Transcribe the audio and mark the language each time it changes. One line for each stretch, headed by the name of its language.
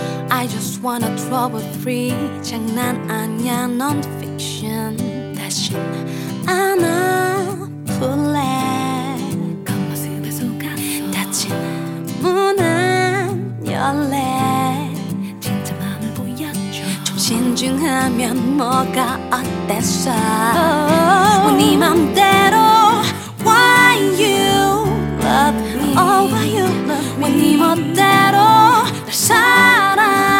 English: I just wanna trouble free.
Korean: 장난 아니야, non-fiction. 다시 안아볼래. 겉모습에 속았어. 닫힌 문은 열래. 진짜 마음을 보여줘. 좀 신중하면 뭐가 어땠어? Oh, 네 맘대로.
English: Why you? Love me, oh, you love me.
Korean: 네 멋대로 널 사랑하니.